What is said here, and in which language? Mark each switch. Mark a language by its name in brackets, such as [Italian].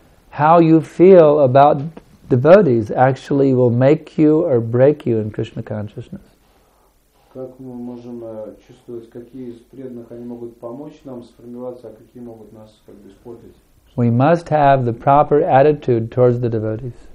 [English] How you feel about devotees actually will make you or break you in Krishna consciousness. [Russian] Как мы можем чувствовать, какие из преданных они могут помочь нам сформироваться, а какие могут нас как бы испортить? [English] We must have the proper attitude towards the devotees.